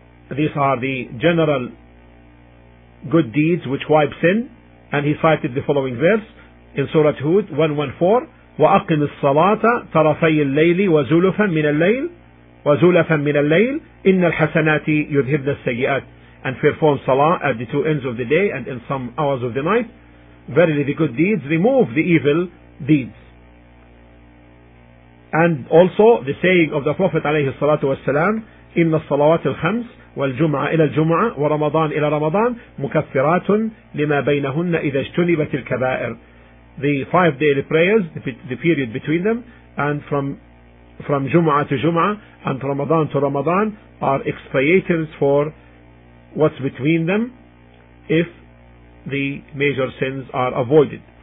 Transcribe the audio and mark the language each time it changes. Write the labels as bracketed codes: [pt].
[en] These are the general good deeds which wipe sin, and he cited the following verse in Surah Hud 114: [ar] وأقم الصلاة طرفي الليل وزلفا من الليل وزلفا من الليل إن الحسنات يذهبن السيئات. [en] And perform salah at the two ends of the day and in some hours of the night. Verily, the good deeds remove the evil deeds. And also the saying of the Prophet [ar] عليه الصلاة والسلام: إن الصلوات الخمس والجمعة إلى الجمعة ورمضان إلى رمضان مكفرات لما بينهن إذا اجتنبت الكبائر. [en] The five daily prayers, the period between them, and from Jum'ah to Jum'ah and Ramadan to Ramadan, are expiators for what's between them if the major sins are avoided.